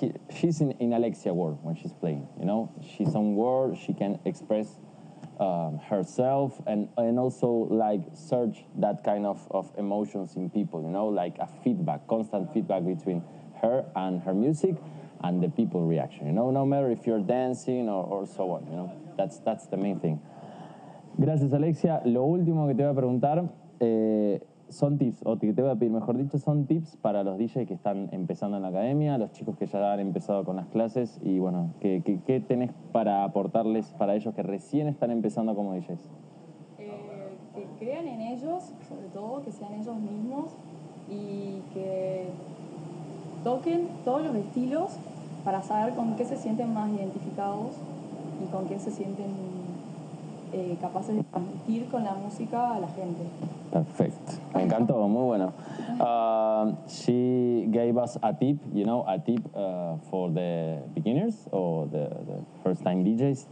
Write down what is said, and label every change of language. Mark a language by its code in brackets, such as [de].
[en] She's in Alexia world when she's playing, you know. She's on world, she can express herself and also like search that kind of emotions in people, you know, like a feedback, constant feedback between her and her music and the people reaction, you know, no matter if you're dancing or so on, you know, that's the main thing. [es] Gracias, Alexia. Lo último que te voy a preguntar son tips, o que te voy a pedir, mejor dicho, son tips para los DJs que están empezando en la academia, los chicos que ya han empezado con las clases, y bueno, ¿qué tenés para aportarles para ellos que recién están empezando como DJs? Que crean en ellos, sobre todo, que sean ellos mismos, y que toquen todos los estilos para saber con qué se sienten más identificados y con qué se sienten capaces de transmitir con la música a la gente. Perfecto. Me encantó, muy bueno. [en] She gave us a tip, you know, a tip for the beginners or the first time DJs.